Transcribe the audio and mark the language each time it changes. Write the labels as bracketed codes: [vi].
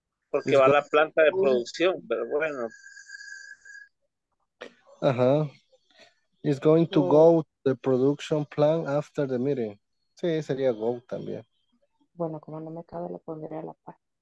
[es] Porque va a la planta de producción, pero bueno. Uh-huh. [en] He's going to go to the production plan after the meeting. [es] Sí, sería go también. Bueno, como no me cabe, lo pondré a la par.